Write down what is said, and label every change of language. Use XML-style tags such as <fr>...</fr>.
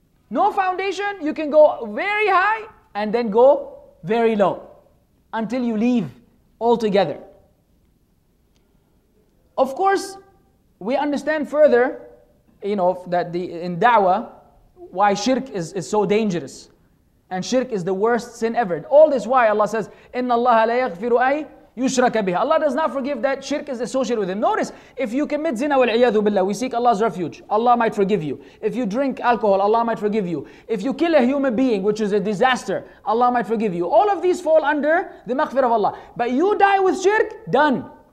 <en>No foundation, you can go very high and then go very low until you leave altogether. Of course, we understand further, you know, that in da'wah, why shirk is so dangerous. And shirk is the worst sin ever. All this why Allah says,</en> <ar>إِنَّ اللَّهَ لَا يَغْفِرُ أَيْ يُشْرَكَ بِهَا.</ar> <en>Allah does not forgive that shirk is associated with him. Notice, if you commit zina wal-iyadhu billah, we seek Allah's refuge, Allah might forgive you. If you drink alcohol, Allah might forgive you. If you kill a human being, which is a disaster, Allah might forgive you. All of these fall under the maghfir of Allah. But you die with shirk, done.</en>